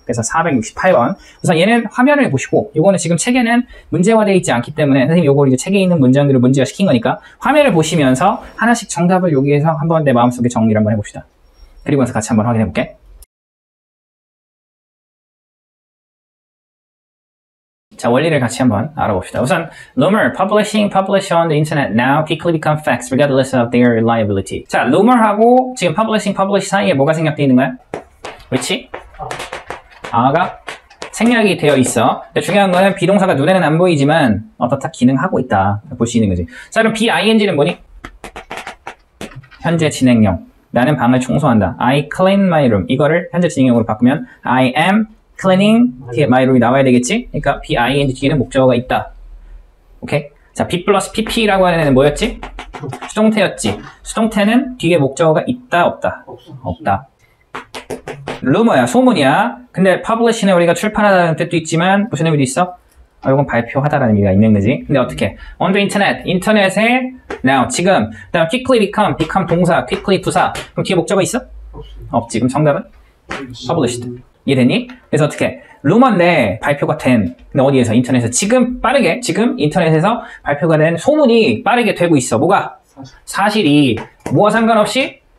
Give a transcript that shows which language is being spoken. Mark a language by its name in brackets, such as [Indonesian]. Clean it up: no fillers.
[Korean] 그래서 468번. 우선 얘는 화면을 보시고, 요거는 지금 책에는 문제화되어 있지 않기 때문에 선생님 요거를 이제 책에 있는 문장들을 문제화 시킨 거니까 화면을 보시면서 하나씩 정답을 여기에서 한번 내 마음속에 정리를 한번 해봅시다. 그리고 나서 같이 한번 확인해볼게. 자, 원리를 같이 한번 알아봅시다. [English] 우선 rumor, publishing, publish on the internet now quickly become facts regardless of their reliability. [Korean] 자, rumor하고 지금 publishing, publish 사이에 뭐가 생략되어 있는 거야? 그렇지? 아가 생략이 되어 있어. 근데 중요한 거는 비동사가 눈에는 안 보이지만 어떻다 기능하고 있다 볼 수 있는 거지. 자, 그럼 BING는 뭐니? 현재 진행형. 나는 방을 청소한다. [English] I clean my room. [Korean] 이거를 현재 진행형으로 바꾸면 [English] I am cleaning [Korean] 뒤에 my room이 나와야 되겠지? 그러니까 BING 뒤에는 목적어가 있다. 오케이? 자, B plus PP라고 하는 애는 뭐였지? 수동태였지. 수동태는 뒤에 목적어가 있다, 없다? 없다. 루머야, 소문이야. 근데 publish는 우리가 출판하다는 뜻도 있지만 무슨 의미도 있어? 아, 이건 발표하다라는 의미가 있는 거지. 근데 어떻게? [English] On the internet, [Korean] 인터넷에 [English] now, [Korean] 지금. 그 다음 quickly become, become 동사, quickly 부사. 그럼 뒤에 목적어 있어? 없지. 그럼 정답은? Published. 이해됐니? 그래서 어떻게? 루머인데 발표가 된. 근데 어디에서? 인터넷에서. 지금 빠르게, 지금 인터넷에서 발표가 된 소문이 빠르게 되고 있어. 뭐가? 사실이. 뭐와 상관없이?